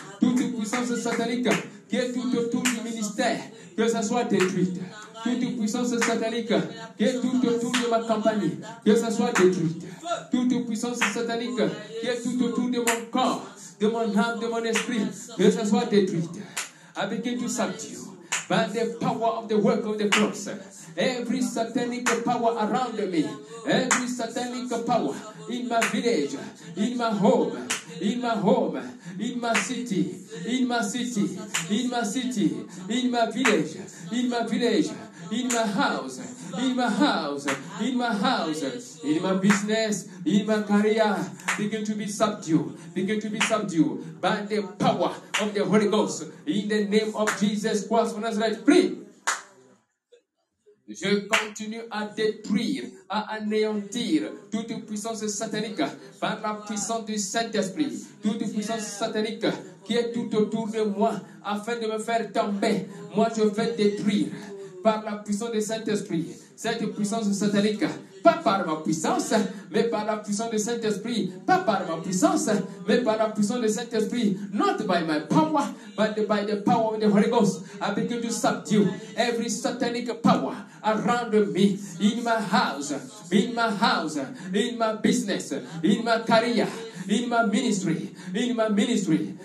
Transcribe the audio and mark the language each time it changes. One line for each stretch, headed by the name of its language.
French: Toute puissance satanique qui est tout autour du ministère, que ça soit détruit. Toute puissance satanique qui est tout autour de ma campagne, que ça soit détruit. Toute puissance satanique qui est tout autour de mon corps, de mon âme, de mon esprit, que ça soit détruit.
English: I begin to subdue by the power of the work of the cross. Every satanic power around me, every satanic power in my village, in my home, in my home, in my city, in my city, in my city, in my village, in my village, in my house, in my house, in my house, in my business, in my career, begin to be subdued, begin to be subdued by the power of the Holy Ghost. In the name of Jesus Christ of Nazareth, pray.
French: Je continue à détruire, à anéantir toute puissance satanique par la puissance du Saint-Esprit. Toute puissance satanique qui est tout autour de moi afin de me faire tomber. Moi, je vais détruire par la puissance du Saint-Esprit cette puissance satanique. Pas par ma puissance, mais par la puissance du Saint-Esprit. Pas par ma puissance, mais par la puissance du Saint-Esprit.
English: Not by my power, but by the power of the Holy Ghost. I begin to subdue every satanic power around me, in my house, in my house, in my business, in my career, in my ministry, in my ministry.